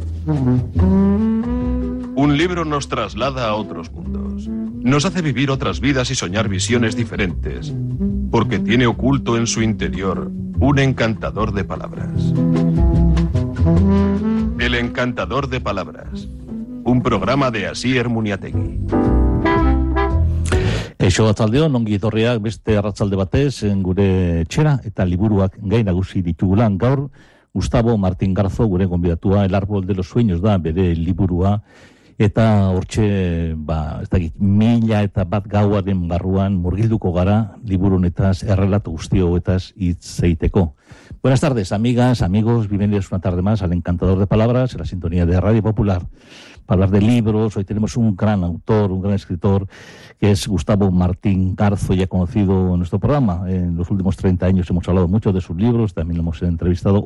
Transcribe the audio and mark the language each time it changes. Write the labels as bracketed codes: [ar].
[es] Un libro nos traslada a otros mundos. Nos hace vivir otras vidas y soñar visiones diferentes, porque tiene oculto en su interior un encantador de palabras. El encantador de palabras. Un programa de Asier Muniategi. [eu] Eixo atzaldeon, ongi etorriak beste arratzalde batez, gure txera eta liburuak gain nagusi ditugulan gaur, Gustavo Martín Garzo, gure gonbidatua, El árbol de los sueños da, bere liburua, eta hortxe, ba, ez dakit, mila eta bat gauaren barruan murgilduko gara, liburunetaz, errelatu guztioetaz itzeiteko. [es] Buenas tardes, amigas, amigos, bienvenidos una tarde más al Encantador de Palabras, en la sintonía de Radio Popular. Para hablar de libros, hoy tenemos un gran autor, un gran escritor, que es Gustavo Martín Garzo, ya conocido en nuestro programa. En los últimos 30 años hemos hablado mucho de sus libros, también lo hemos entrevistado.